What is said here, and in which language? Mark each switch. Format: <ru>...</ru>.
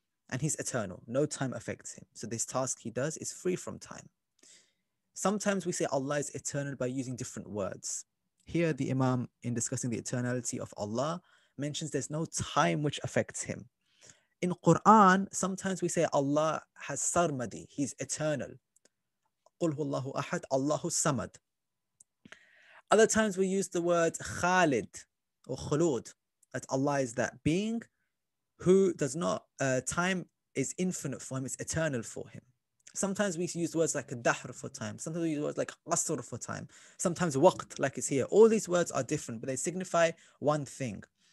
<en>And he's eternal, no time affects him. So this task he does is free from time. Sometimes we say Allah is eternal by using different words. Here the Imam, in discussing the eternality of Allah, mentions there's no time which affects him. In Quran, sometimes we say Allah has sarmadi, he's eternal.</en> <ar>قُلْ هُوَ اللَّهُ أَحَدْ اللَّهُ samad.</ar> <en>Other times we use the word khalid or khulud, that Allah is that being who does not, time is infinite for him, it's eternal for him. Sometimes we use words like dahr for time. Sometimes we use words like qasr for time. Sometimes waqt, like it's here. All these words are different, but they signify one thing.</en>